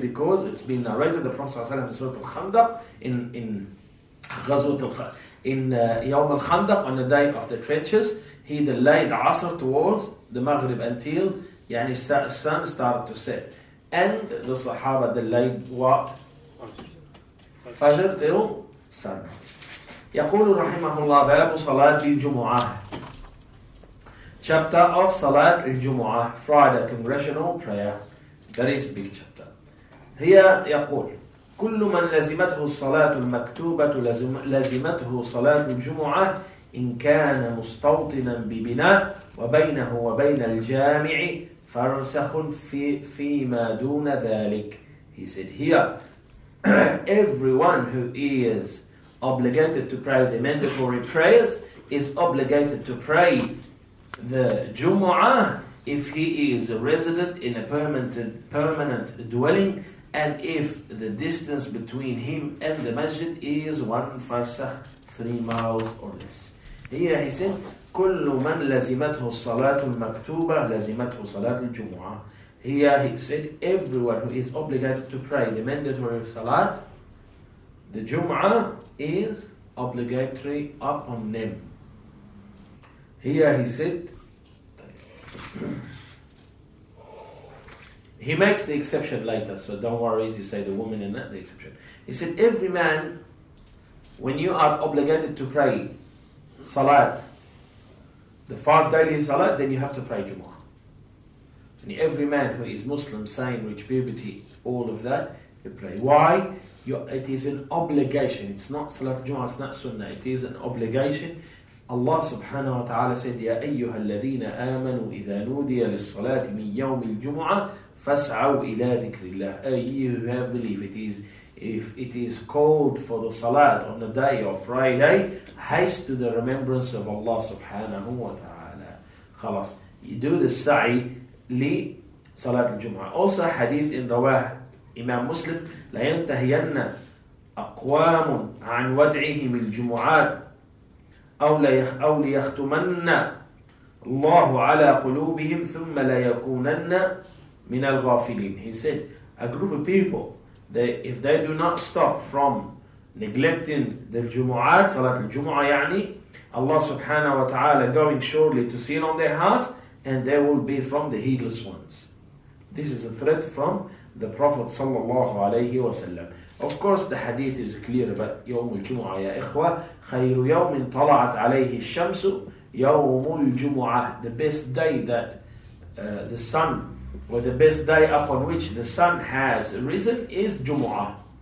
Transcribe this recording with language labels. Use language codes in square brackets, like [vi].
[en] Because it's been narrated, the Prophet ﷺ in Surah Al-Khandaq, in Yawm Al-Khandaq, on the day of the trenches, he delayed Asr towards the Maghrib until يعني, sun started to set. And the Sahaba delayed what? Fajr till sunrise. [ar] يقول رحمه الله باب صلاة الجمعة. [en] Chapter of صلاة الجمعة, Friday Congressional Prayer. That is big chapter. [ar] هي يقول كل من لزمته الصلاة المكتوبة لزمته صلاة الجمعة إن كان مستوطنا ببناء وبينه وبين الجامع فرسخ فيما دون ذلك. [en] He said here, everyone who is obligated to pray the mandatory prayers is obligated to pray the Jumu'ah if he is a resident in a permanent dwelling and if the distance between him and the masjid is one farsakh, 3 miles or less. Here he said, [ar] كُلُّ مَنْ لَزِمَتْهُ الصَّلَاةُ الْمَكْتُوبَةُ لَزِمَتْهُ صَلَاةُ الْجُمُعَةُ. [en] Here he said, everyone who is obligated to pray the mandatory salat, the Jum'ah is obligatory upon them. Here he said, he makes the exception later, so don't worry if you say the woman and not the exception. He said, every man, when you are obligated to pray salat, the 5 daily salat, then you have to pray Jum'ah. And every man who is Muslim, sane, rich, puberty, all of that, you pray. Why? It is an obligation. It's not Salat Jum'ah, it's not Sunnah. It is an obligation. Allah subhanahu wa ta'ala said, [ar] يَا أَيُّهَا الَّذِينَ آمَنُوا إِذَا نُودِيَ لِلصَّلَاةِ مِنْ يَوْمِ الْجُمُعَةِ فَاسْعَوْا إِلَىٰ ذِكْرِ اللَّهِ. [en] You who have belief, if it is called for the Salat on the day of Friday, haste to the remembrance of Allah subhanahu wa ta'ala. [ar] خلاص. [en] You do the sa'i, [ar] لصلاة الجمعة. Also حديث إن رواه إمام مسلم لا ينتهين أقوام عن ودعهم الجمعات أو ليختمن الله على قلوبهم ثم لا يكونن من الغافلين. [en] He said a group of people they, if they do not stop from neglecting the [ar] الجمعات صلاة الجمعة يعني [en] Allah [ar] سبحانه وتعالى [en] going surely to sin on their hearts and they will be from the heedless ones. This is a threat from the Prophet sallallahu alayhi wa sallam. Of course, the hadith is clear, but [ar] يوم الجمعة يا إخوة خير يوم طلعت عليه الشمس يوم الجمعة. [en] The best day that the sun, or the best day upon which the sun has risen is جمعة.